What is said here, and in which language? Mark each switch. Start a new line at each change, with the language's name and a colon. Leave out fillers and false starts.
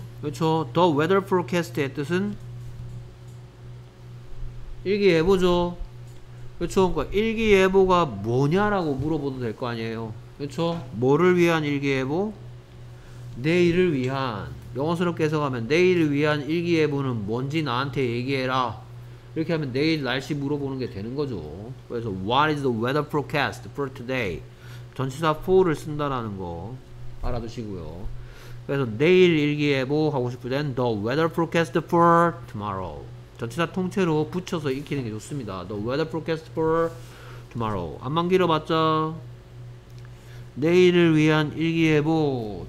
Korean: 그렇죠.
English: The weather forecast
Korean: 의 뜻은 일기예보죠. 그렇죠. 그러니까 일기예보가 뭐냐라고 물어봐도 될 거 아니에요. 그렇죠. 뭐를 위한 일기예보? 내일을 위한. 영어스럽게 해석하면 내일을 위한 일기예보는 뭔지 나한테 얘기해라. 이렇게 하면 내일 날씨 물어보는 게 되는 거죠. 그래서
English: What is the weather forecast for today?
Korean: 전치사 for를 쓴다라는 거 알아두시고요. 그래서 내일 일기예보 하고 싶을 땐
English: The weather forecast for tomorrow.
Korean: 전치사 통째로 붙여서 익히는 게 좋습니다.
English: The weather forecast for tomorrow.
Korean: 안만 길어봤자 내일을 위한 일기예보.